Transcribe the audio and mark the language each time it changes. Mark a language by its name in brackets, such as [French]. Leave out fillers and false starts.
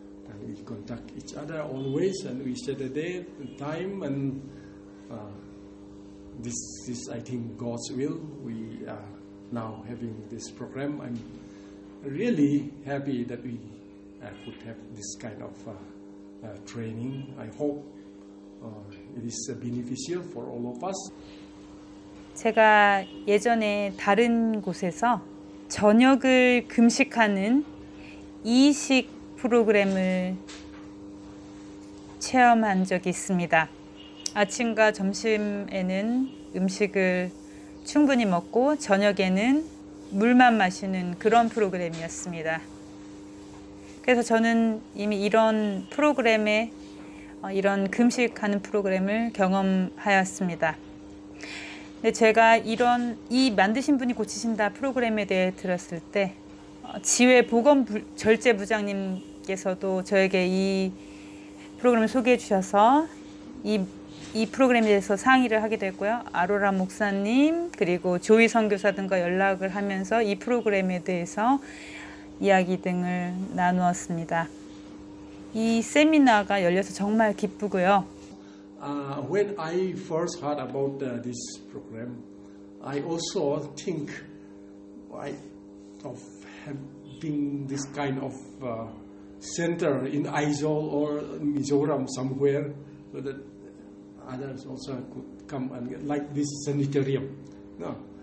[English] And we contact each other always, and we set a day, a time, and this is, I think, God's will. We are now having this program. I'm really happy that we could have this kind of training. I hope it is beneficial for all of us. [Korean] 제가 예전에 다른 곳에서 저녁을 금식하는 이식 프로그램을 체험한 적이 있습니다. 아침과 점심에는 음식을 충분히 먹고 저녁에는 물만 마시는 그런 프로그램이었습니다. 그래서 저는 이미 이런 프로그램에 이런 금식하는 프로그램을 경험하였습니다. 근데 제가 이런 이 만드신 분이 고치신다 프로그램에 대해 들었을 때 지회 보건 절제 부장님 께서도 저에게 이 프로그램을 소개해 주셔서 이 프로그램에 대해서 상의를 하게 됐고요. 아로라 목사님 그리고 조이 선교사 등과 연락을 하면서 이 프로그램에 대해서 이야기 등을 나누었습니다. 이 세미나가 열려서 정말 기쁘고요. [English] When I first heard about this program, I also think of having this kind of center in Aizawl or Mizoram somewhere, so that others also could come and get, like this sanitarium. No.